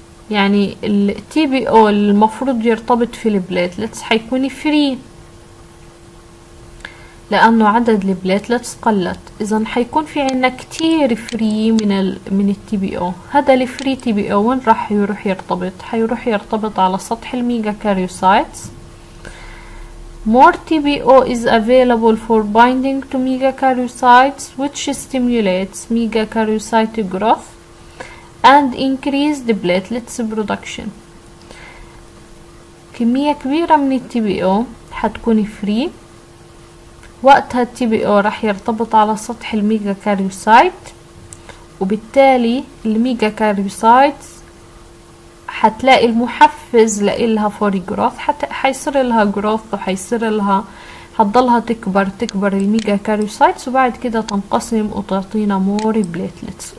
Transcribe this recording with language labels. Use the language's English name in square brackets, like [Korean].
[Arabic] يعني ال تي بي او المفروض يرتبط في البلاتلتس حيكون فري لأنه عدد البلاتلتس قلت، إذا حيكون في عنا كتير فري من ال من التي بي او. هذا الفري تي بي او وين راح يروح يرتبط؟ حيروح يرتبط على سطح الميجا كاريوسايتس. [English] More TBO is available for binding to megakaryocytes which stimulates megakaryocyte growth and increase the platelets production. [Arabic] كمية كبيرة من ال TBO حتكون free وقتها ال TBO رح يرتبط على سطح الميجاكاريوسايت، وبالتالي الميجاكاريوسايت حتلاقي المحفز لإلها فوري جروث، حيصير لها جروث وحيصير لها حتضلها تكبر تكبر الميجا كاريوسايتس، وبعد كده تنقسم وتعطينا مور بليتلتس.